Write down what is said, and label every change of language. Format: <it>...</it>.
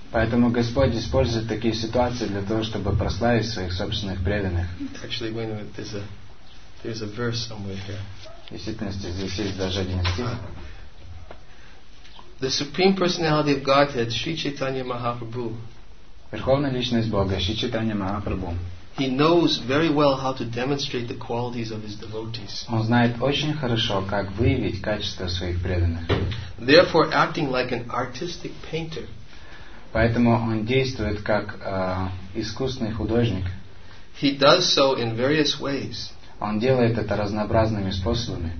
<ru>Поэтому Господь использует такие ситуации для того, чтобы прославить своих собственных преданных.</ru> <en>Actually, wait a minute. There's a verse somewhere here.</en> <ru>В действительности здесь есть даже один стих.</ru> <en>The Supreme Personality of Godhead, Sri Chaitanya Mahaprabhu.</en> <ru>Верховная личность Бога, Шри Чайтанья Махапрабху.</ru> <en>He knows very well how to demonstrate the qualities of his devotees.</en> <ru>Он знает очень хорошо, как выявить качества своих преданных.</ru> <en>Therefore, acting like an artistic painter.</en> <ru>Поэтому он действует как искусный художник.</ru> <en>He does so in various ways.</en> <ru>Он делает это разнообразными способами.</ru>